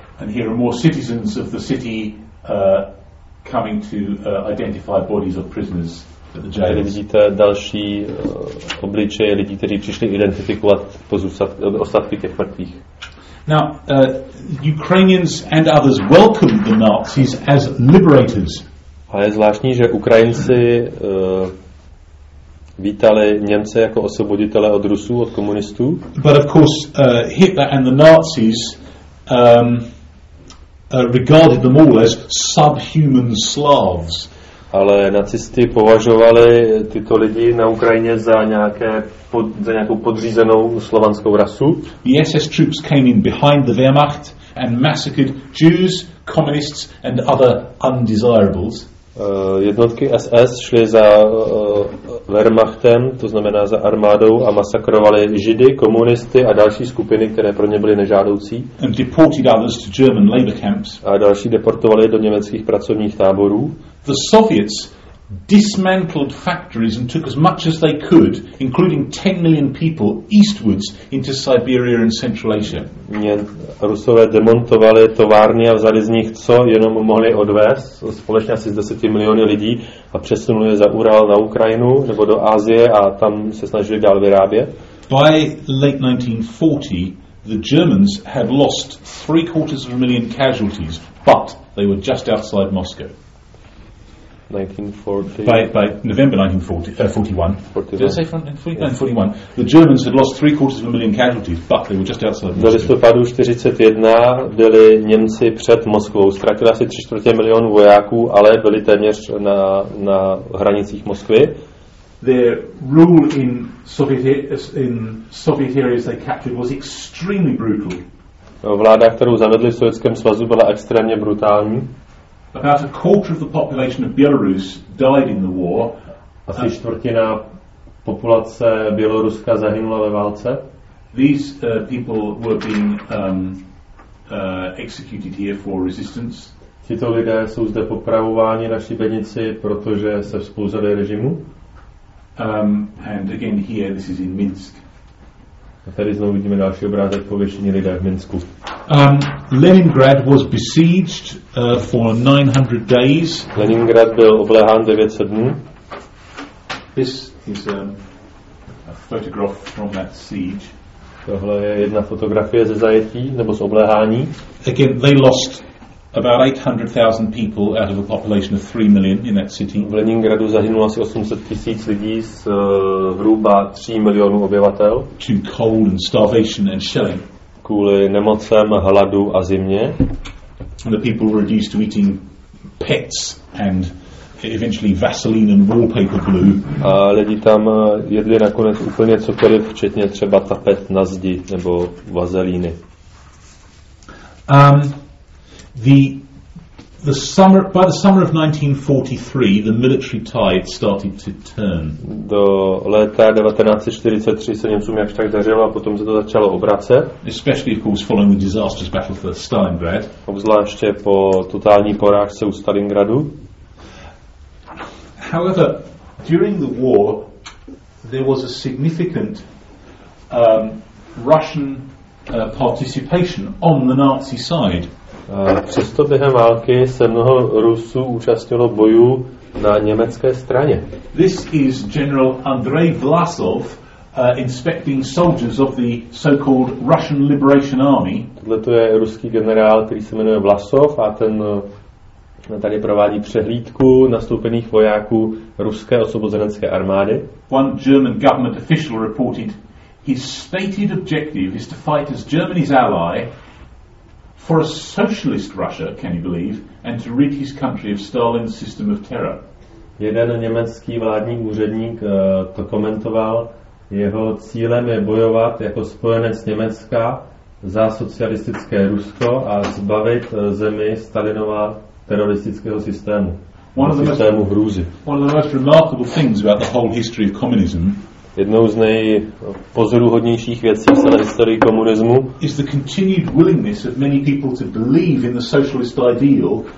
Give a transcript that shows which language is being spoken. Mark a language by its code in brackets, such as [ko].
[en] And here are more citizens of the city coming to identify bodies of prisoners at the jail. [cs] Tady vidíte další obličeje lidí, kteří přišli identifikovat ostatky těch mrtvých. [en] Now, Ukrainians and others welcomed the Nazis as liberators. [cs] A je zvláštní, že Ukrajinci vítali Němce jako osvoboditele od Rusů, od komunistů. [en] But of course, Hitler and the Nazis regarded them all as subhuman Slavs. [cs] Ale nacisty považovali tyto lidi na Ukrajině za nějakou podřízenou slovanskou rasu. [en] The SS troops came in behind the Wehrmacht and massacred Jews, communists and other undesirables. [cs] Jednotky SS šly za Wehrmachtem, to znamená za armádou, a masakrovali Židy, komunisty a další skupiny, které pro ně byly nežádoucí. [en] And deported others to German labor camps. [cs] A další deportovali do německých pracovních táborů. [en] The Soviets dismantled factories and took as much as they could, including 10 million people, eastwards into Siberia and Central Asia. [cs] Rusové demontovali továrny a vzali z nich, co jenom mohli odvést, společně asi s 10 miliony lidí, a přesunuli je za Ural na Ukrajinu nebo do Asie a tam se snažili dál vyrábět. [en] By late 1940, the Germans had lost 750,000 casualties, but they were just outside Moscow. 1940. By November 1941. Yeah. The Germans had lost 750,000 casualties, but they were just outside Moscow. [cs] Do listopadu 41 byli Němci před Moskvou. Ztratili asi 750,000 vojáků, ale byli téměř na hranicích Moskvy. [en] Their rule in Soviet areas they captured was extremely brutal. [cs] Vláda, kterou zavedli v Sovětském svazu, byla extrémně brutální. [en] About a quarter of the population of Belarus died in the war. [cs] Asi čtvrtina populace Běloruska zahynula ve válce. [en] These people were being executed here for resistance. [cs] Tito lidé jsou zde popravováni na šibenici, protože se vzpouzeli režimu. [en] And again here, this is in Minsk. [cs] A tady znovu vidíme další obrázek pověšení lidé v Minsku. [en] Leningrad was besieged for 900 days. [cs] Leningrad byl obléhán 900 dnů. [en] This is a photograph from that siege. [cs] Tohle je jedna fotografie ze zajetí nebo z obléhání. [en] Again, they lost about 800,000 people out of a population of 3 million in that city. [cs] V Leningradu zahynulo asi 800,000 lidí z hruba 3 milionů obyvatel. [en] To cold and starvation and shelling. [cs] Kvůli nemocem, hladu a zimě. [en] And the people were reduced to eating pets and eventually Vaseline and wallpaper glue. [cs] A lidi tam jedli nakonec úplně cokoliv, včetně třeba tapet na zdi nebo vazelíny. [en] By the summer of 1943, the military tide started to turn. [cs] Do léta 1943 se Němcům jak tak dařilo a potom se to začalo obracet. [en] Especially of course following the disastrous battle for Stalingrad. [cs] Obzvláště po totální porážce u Stalingradu. [en] However, during the war there was a significant Russian participation on the Nazi side. [cs] Přesto během války se mnoho Rusů účastnilo bojů na německé straně. [en] This is General Andrei Vlasov inspecting soldiers of the so-called Russian Liberation Army. [cs] Tohle to je ruský generál, který se jmenuje Vlasov, a ten tady provádí přehlídku nastoupených vojáků ruské osvobozenecké armády. [en] One German government official reported his stated objective is to fight as Germany's ally for a socialist Russia, can you believe, and to rid his country of Stalin's system of terror. [cs] Jeden německý vládní úředník to komentoval, jeho cílem je bojovat jako spojenec Německa za socialistické Rusko a zbavit zemi Stalinova teroristického systému. [en] One of the most remarkable things about the whole history of communism, [cs] jednou z nejpozoruhodnějších věcí v celé historii komunismu, [en] is the continued willingness of many people to believe in the socialist ideal,